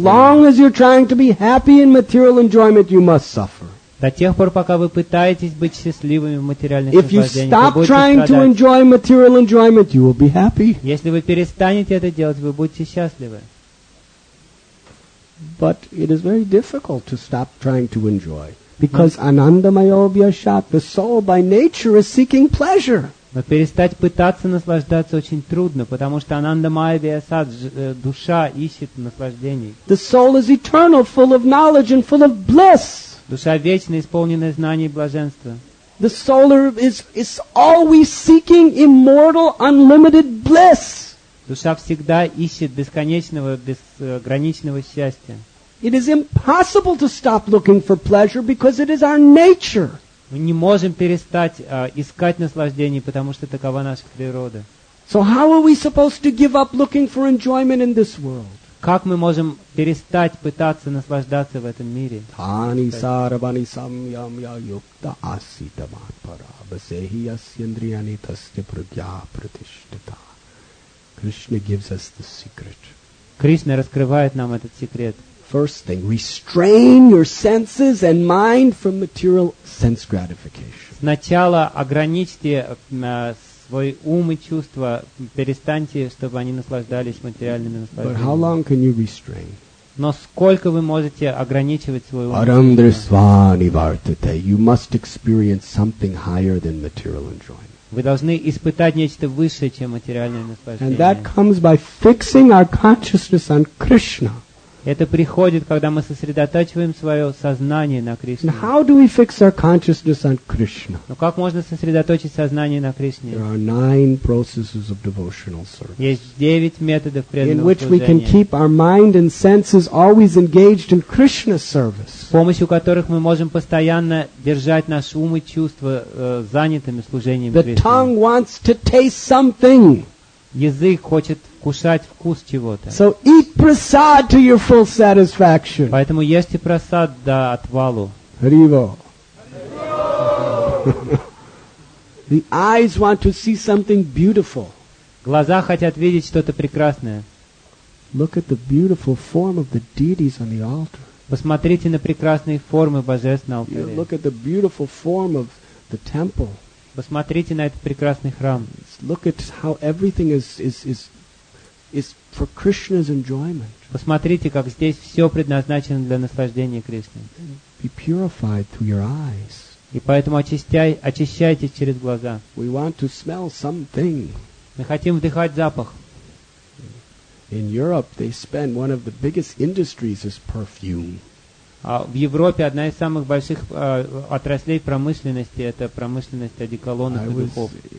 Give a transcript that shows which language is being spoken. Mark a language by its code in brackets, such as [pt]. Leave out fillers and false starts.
[en] As long as you're trying to be happy in material enjoyment, you must suffer. [ru] До тех пор, пока вы пытаетесь быть счастливыми в материальных наслаждениях, вы будете страдать. [en] To enjoy material enjoyment, you will be happy. [ru] Если вы перестанете это делать, вы будете счастливы. [en] But it is very difficult to stop trying to enjoy, because [sa] Anandamayobhya Shat, [en] the soul by nature is seeking pleasure. [ru] Но перестать пытаться наслаждаться очень трудно, потому что [sa] Анандамайя Сад, [ru] душа, ищет наслаждений. [en] The soul is eternal, full of knowledge and full of bliss. [ru] Душа вечна, исполненная знаний и блаженства. [en] The soul is always seeking immortal, unlimited bliss. [ru] Душа всегда ищет бесконечного, безграничного счастья. [en] It is impossible to stop looking for pleasure because it is our nature. [ru] Мы не можем перестать искать наслаждений, потому что такова наша природа. [en] So how are we supposed to give up looking for enjoyment in this world? [ru] Как мы можем перестать пытаться наслаждаться в этом мире? [sa] Тани сарабани самьямья юкта асита матпара басехи асьяндрияни тасте прагья пратиштита. [en] Krishna gives us the secret. [ru] Krishna раскрывает нам этот секрет. [en] First thing, restrain your senses and mind from material sense gratification. [ru] Сначала ограничьте свой ум и чувства, перестаньте, чтобы они наслаждались материальными наслаждениями. [en] But how long can you restrain? [ru] Но сколько вы можете ограничивать свой ум? [sa] Arandrisva nivartate. [en] You must experience something higher than material enjoyment. [ru] Вы должны испытать нечто высшее, чем материальное наслаждение. [en] And that comes by fixing our consciousness on Krishna. [ru] Это приходит, когда мы сосредотачиваем свое сознание на Кришне. [en] And how do we fix our consciousness on Krishna? [ru] Но как можно сосредоточить сознание на Кришне? [en] There are 9 processes of devotional service. [ru] Есть 9 методов преданного служения. [en] In which we can keep our mind and senses always engaged in Krishna's service. [ru] С помощью которых мы можем постоянно держать наш ум и чувства занятыми служением Кришне. [en] The tongue wants to taste something. [ru] Язык хочет кушать вкус чего-то. [en] So eat prasad to your full satisfaction. [ru] Поэтому ешьте прасад до отвалу. Hariva. [en] The eyes want to see something beautiful. [ru] Глаза хотят видеть что-то прекрасное. [en] Look at the beautiful form of the deities on the altar. [ru] Посмотрите на прекрасные формы божеств на алтаре. [en] Look at the beautiful form of the temple. [ru] Посмотрите на этот прекрасный храм. [en] Look at how everything is for Krishna's enjoyment. [ru] Посмотрите, как здесь все предназначено для наслаждения Кришны. [en] Be purified through your eyes. [ru] И поэтому очищайтесь через глаза. [en] We want to smell something. [ru] Мы хотим вдыхать запах. [en] In Europe, they spend one of the biggest industries is perfume. [ru] В Европе одна из самых больших отраслей промышленности — это промышленность одеколонных и духов.